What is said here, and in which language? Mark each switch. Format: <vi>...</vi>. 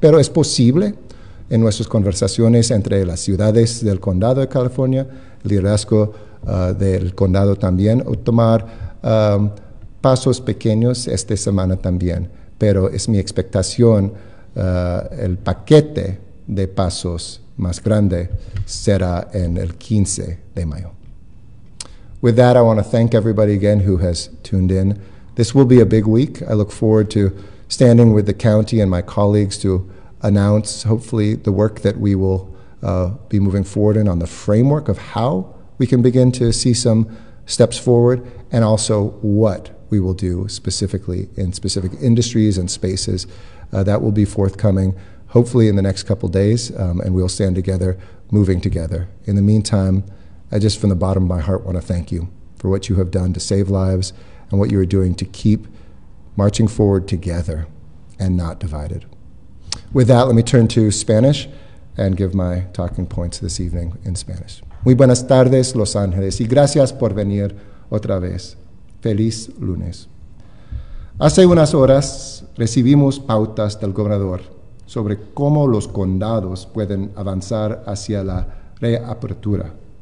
<es>Pero es posible en nuestras conversaciones entre las ciudades del condado de California, el liderazgo del condado también, o tomar pasos pequeños esta semana también. Pero es mi expectación, el paquete de pasos más grande será en el 15 de mayo.</es> <en>With that, I want to thank everybody again who has tuned in. This will be a big week. I look forward to standing with the county and my colleagues to announce, hopefully, the work that we will be moving forward in on the framework of how we can begin to see some steps forward and also what we will do specifically in specific industries and spaces. That will be forthcoming, hopefully, in the next couple of days, and we'll stand together, moving together. In the meantime, I just from the bottom of my heart want to thank you for what you have done to save lives and what you are doing to keep marching forward together and not divided. With that, let me turn to Spanish and give my talking points this evening in Spanish.</en> <es>Muy buenas tardes, Los Ángeles, y gracias por venir otra vez. Feliz lunes. Hace unas horas recibimos pautas del gobernador sobre cómo los condados pueden avanzar hacia la reapertura.</es>